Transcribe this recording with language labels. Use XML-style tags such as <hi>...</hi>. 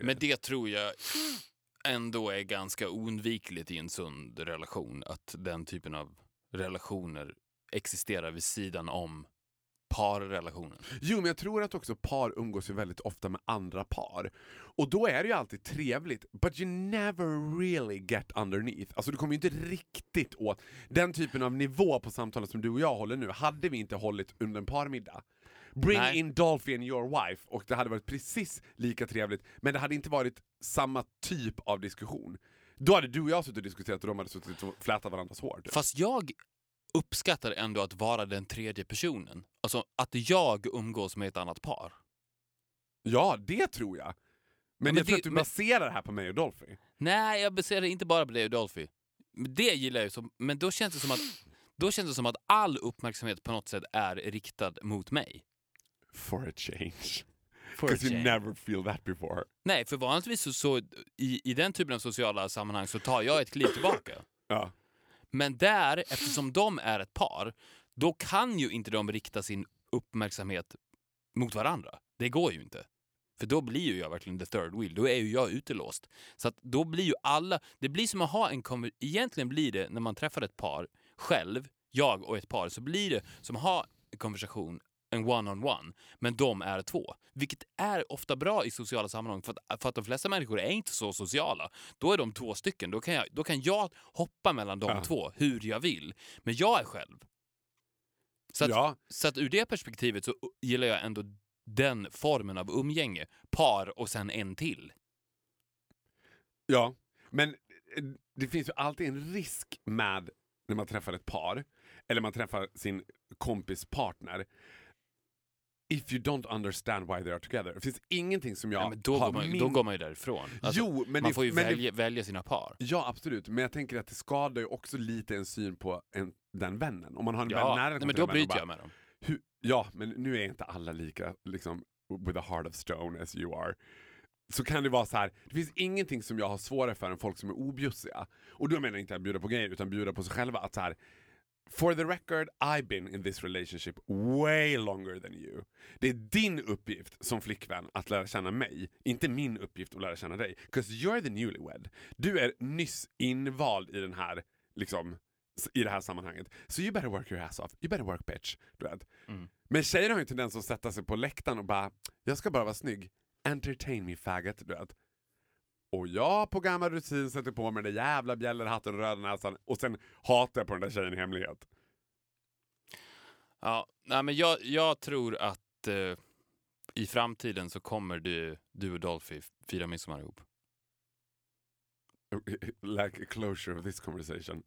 <sv>Men det tror jag ändå är ganska oundvikligt i en sund relation, att den typen av relationer existerar vid sidan om parrelationen. Jo, men jag tror att också par umgås ju väldigt ofta med andra par. Och då är det ju alltid trevligt.</sv> <en>But you never really get underneath.</en> <sv>Alltså du kommer ju inte riktigt åt den typen av nivå på samtalet som du och jag håller nu. Hade vi inte hållit under en parmiddag.</sv> <en>Bring in Dolphy and your wife.</en> <sv>Och det hade varit precis lika trevligt. Men det hade inte varit samma typ av diskussion. Då hade du och jag suttit och diskuterat och de hade suttit och flätat varandras hår. Du. Fast jag uppskattar ändå att vara den tredje personen. Alltså att jag umgås med ett annat par. Ja, det tror jag. Men jag tror att du baserar det här på mig och Dolphy. Nej, jag baserar inte bara på dig och Dolphy. Det gillar jag ju. Men då känns det som att all uppmärksamhet på något sätt är riktad mot mig.</sv> <en>For a change. Because you never feel that before.</en> <sv>Nej, för vanligtvis så i den typen av sociala sammanhang så tar jag ett kliv tillbaka. Ja. Men där, eftersom de är ett par, då kan ju inte de rikta sin uppmärksamhet mot varandra. Det går ju inte. För då blir ju jag verkligen</sv> <en>the third wheel.</en> <sv>Då är ju jag utelåst. Så att då blir ju alla... Det blir som att ha en... Egentligen blir det, när man träffar ett par själv, jag och ett par, så blir det som att ha en konversation, en one-on-one. Men de är två. Vilket är ofta bra i sociala sammanhang. För att de flesta människor är inte så sociala. Då är de två stycken. Då kan jag hoppa mellan de två hur jag vill. Men jag är själv. Så att ur det perspektivet så gillar jag ändå den formen av umgänge. Par och sen en till. Ja, men det finns ju alltid en risk med när man träffar ett par. Eller man träffar sin kompispartner.</sv> <en>If you don't understand why they are together.</en> <sv>Det finns ingenting som jag... Då går man ju därifrån. Alltså, jo, men man får välja sina par. Ja, absolut. Men jag tänker att det skadar ju också lite en syn på den vännen. Om man har en vän nära... Nej, men då bryter jag med dem. Ja, men nu är inte alla lika liksom,</sv> <en>with a heart of stone as you are.</en> <sv>Så kan det vara så här, det finns ingenting som jag har svårare för än folk som är objussiga. Och då menar jag inte att bjuda på grejer, utan bjuda på sig själva. Att så här,</sv> <en>for the record, I've been in this relationship way longer than you.</en> <sv>Det är din uppgift som flickvän att lära känna mig. Inte min uppgift att lära känna dig.</sv> <en>Because you're the newlywed.</en> <sv>Du är nyss invald i den här, liksom... I det här sammanhanget.</sv> <en>So you better work your ass off. You better work, bitch.</en> <sv>Du vet.</sv> <en>Mm.</en> <sv>Men tjejerna har ju tendens att sätta sig på läktaren och bara, jag ska bara vara snygg.</sv> <en>Entertain me, faggot.</en> <sv>Du vet. Och jag på gammal rutin sätter på mig den jävla bjällerhatten och röda näsan. Och sen hatar jag på den där tjejen i hemlighet. Ja, nej, men jag tror att i framtiden så kommer du och Dolphy fira midsommar ihop.</sv> <en>Like a closure of this conversation.</en>